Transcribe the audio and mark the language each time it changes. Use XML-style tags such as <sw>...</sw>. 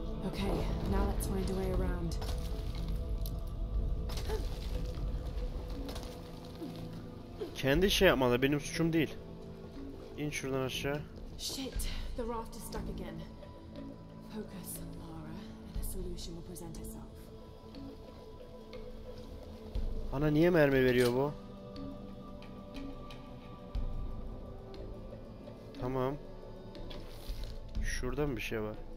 <en>Okay, now let's find a way around.</en> <tr>Kendi şey yapmalı, benim suçum değil. İn şuradan aşağı.</tr> <en>Shit, the raft is stuck again. Focus, Lara, and a solution will present itself.</en> <tr>Bana niye mermi veriyor bu? Tamam. Şurada mı bir şey var?</tr>